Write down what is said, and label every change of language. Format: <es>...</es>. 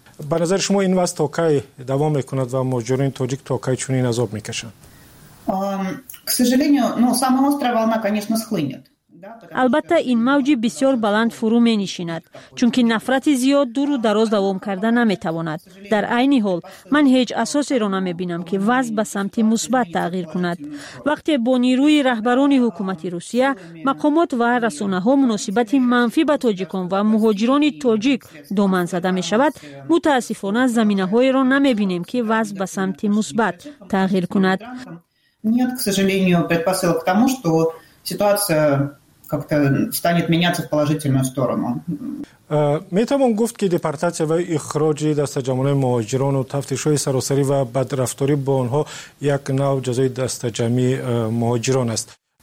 <fa>به نظر شما این وضع تا کی دوام می کند و مهاجران تاجیک تا کی چنین عذاب می کشند؟</fa> <ru>К сожалению, самая острая волна, конечно, схлынет.</ru> <fa>البته این موجی بسیار بلند فرو می نشیند چون که نفرت زیاد دور و دراز دوام کرده نمی تواند. در عین حال من هیچ اساسی را نمی بینم که وضع به سمت مثبت تغییر کند. وقتی با نیروی رهبران حکومت روسیه مقامات و رسانه ها مناسبت منفی به تاجیکان و مهاجران تاجیک دامن زده می شود، متاسفانه زمینه های را نمی بینیم که وضع به سمت مثبت تغییر کند.</fa> <ru>Нет, к сожалению, предпосылок к тому, что ситуация как-то станет меняться в положительную сторону.</ru> <tg>Метамон говорит, что депортация и ихроджи даста джамуле мохаджирону, тафтишои саросари ва бадрафтори бо онхо, як нау джазой даста джами мохаджирон аст.</tg>